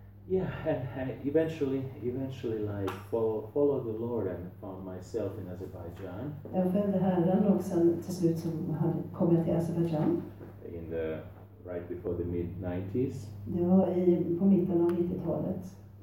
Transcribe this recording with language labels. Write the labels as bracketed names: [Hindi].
[English] Yeah, eventually, like, follow the Lord, and found myself in Azerbaijan. [Swedish] Jag följde Herren och sen till slut så hade kommit till Azerbaijan. [English] In the right before the mid 90s. [Swedish] Det var på mitten av 90-talet.